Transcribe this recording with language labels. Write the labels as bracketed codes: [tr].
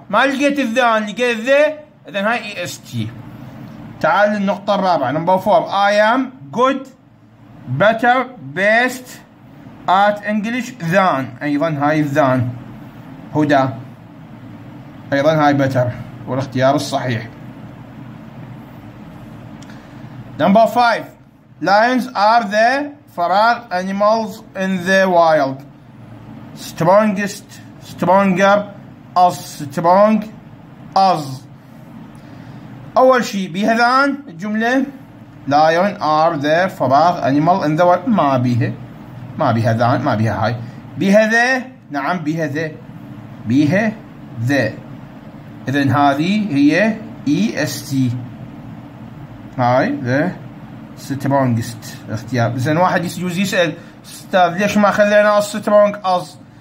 [ar] ما لقيت الذان، لقيت ذا، إذا هاي EST. تعال للنقطة الرابعة نمبر 4 [en] I am good better best at English than، [ar] أيضا هاي الذان هدى، أيضا هاي better والاختيار الصحيح. [en] Number 5 Lions are the feral animals in the wild. Strongest, stronger, as strong as. [ar] أول شيء بيها ذان الجملة [en] Lions are the feral animals in the wild، [ar] ما بيها، ما بيها ذان، ما بيها هاي، بيها ذا، نعم بيها ذا، بيها ذا. إذن هذه هي EST هاي [en] the strongest [ar] اختيار. زين واحد يجوز يسال استاذ ليش ما خلينا [en] Strongest?